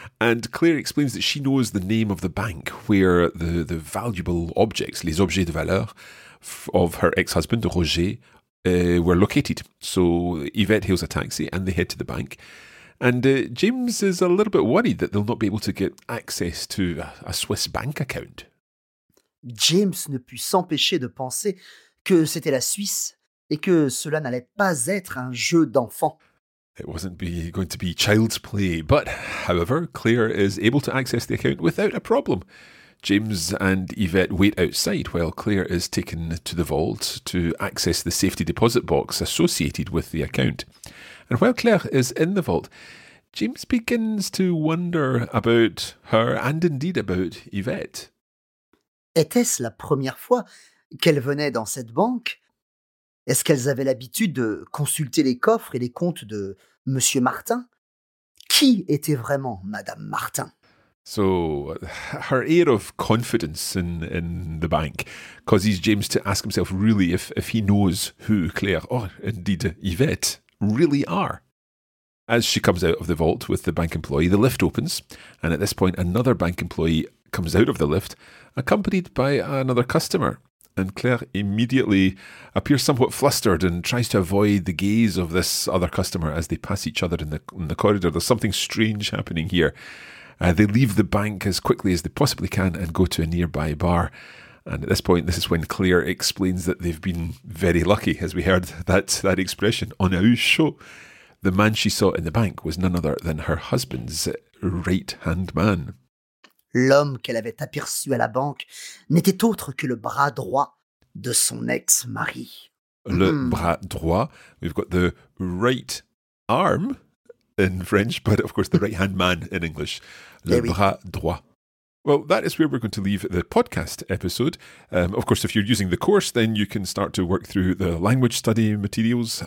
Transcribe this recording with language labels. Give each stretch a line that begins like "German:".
English: And Claire explains that she knows the name of the bank where the valuable objects,
French: les objets de valeur,
English: of her ex-husband, Roger, were located. So Yvette hails a taxi and they head to the bank. And James is a little bit worried that they'll not be able to get access to a Swiss bank account.
French: James ne put s'empêcher de penser que c'était la Suisse et que cela n'allait pas être un jeu d'enfant.
English: It wasn't going to be child's play. But, however, Claire is able to access the account without a problem. James and Yvette wait outside while Claire is taken to the vault to access the safety deposit box associated with the account. And while Claire is in the vault, James begins to wonder about her and indeed about Yvette.
French: Était-ce la première fois qu'elle venait dans cette banque? Est-ce qu'elles avaient l'habitude de consulter les coffres et les comptes de Monsieur Martin? Qui était vraiment Madame Martin?
English: So, her air of confidence in the bank causes James to ask himself really if he knows who Claire, or indeed Yvette, really are. As she comes out of the vault with the bank employee, the lift opens, and at this point another bank employee comes out of the lift, accompanied by another customer. And Claire immediately appears somewhat flustered and tries to avoid the gaze of this other customer as they pass each other in the corridor. There's something strange happening here. They leave the bank as quickly as they possibly can and go to a nearby bar. And at this point, this is when Claire explains that they've been very lucky, as we heard that expression,
French: on a chaud.
English: The man she saw in the bank was none other than her husband's right-hand man.
French: L'homme qu'elle avait aperçu à la banque n'était autre que le bras droit de son ex-mari.
English: Le bras droit, we've got the right arm in French, but of course the right-hand man in English.
French: Le oui. bras droit.
English: Well, that is where we're going to leave the podcast episode. Of course, if you're using the course, then you can start to work through the language study materials.